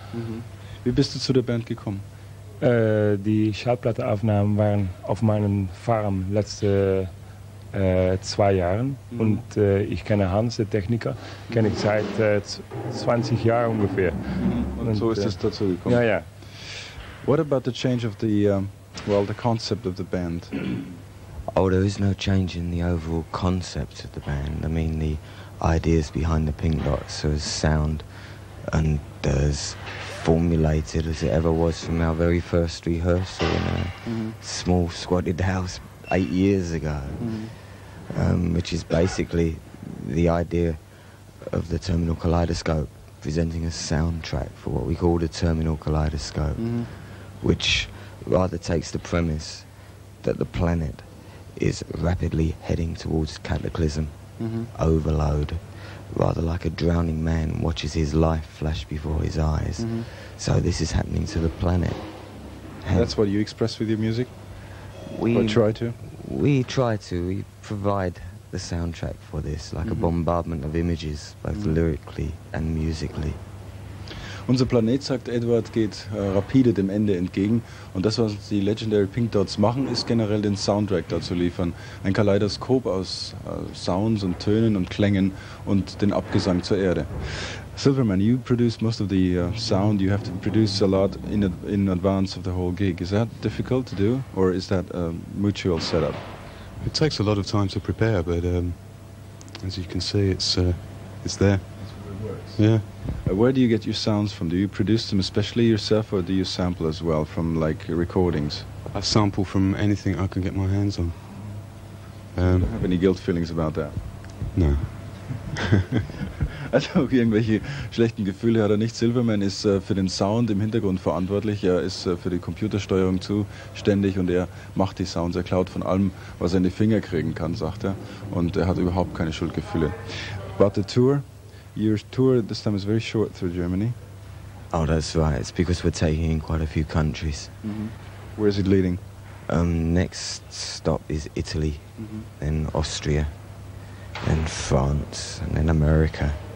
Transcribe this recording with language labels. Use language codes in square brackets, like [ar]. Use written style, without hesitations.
[de] Mhm. Wie bist du zu der Band gekommen? Die Schallplatteaufnahmen waren auf meinem Farm letzte 2 Jahren. Mhm. Und ich kenne Hans, der Techniker, kenne ich seit 20 Jahren ungefähr. Mhm. Und so ist es dazu gekommen. Ja, ja. [en] What about the change of the the concept of the band? Oh, there is no change in the overall concept of the band. I mean, the ideas behind the Pink Dots are as sound and as formulated as it ever was from our very first rehearsal in a small squatted house 8 years ago, which is basically the idea of the Terminal Kaleidoscope presenting a soundtrack for what we call the Terminal Kaleidoscope, which rather takes the premise that the planet is rapidly heading towards cataclysm, overload, rather like a drowning man watches his life flash before his eyes. So this is happening to the planet. And that's what you express with your music? We try to. We provide the soundtrack for this, like a bombardment of images, both lyrically and musically. [de] Unser Planet, sagt Edward, geht rapide dem Ende entgegen. Und das, was die Legendary Pink Dots machen, ist generell den Soundtrack dazu liefern. Ein Kaleidoskop aus Sounds und Tönen und Klängen und den Abgesang zur Erde. [en] Silverman, you produce most of the sound. You have to produce a lot in advance of the whole gig. Is that difficult to do, or is that a mutual setup? It takes a lot of time to prepare, but as you can see, it's there. That's where it works. Yeah. Where do you get your sounds from? Do you produce them especially yourself, or do you sample as well from like recordings? I sample from anything I can get my hands on. Do you have any guilt feelings about that? No. [de] Also irgendwelche schlechten Gefühle hat er nicht. Silverman ist für den Sound im Hintergrund verantwortlich. Er ist für die Computersteuerung zuständig und er macht die Sounds. Er klaut von allem, was er in die Finger kriegen kann, sagt er. Und er hat überhaupt keine Schuldgefühle. [en] But the tour, your tour this time is very short through Germany. Oh, that's right. It's because we're taking in quite a few countries. Mm-hmm. Where is it leading? Next stop is Italy, then Austria, then France, and then America.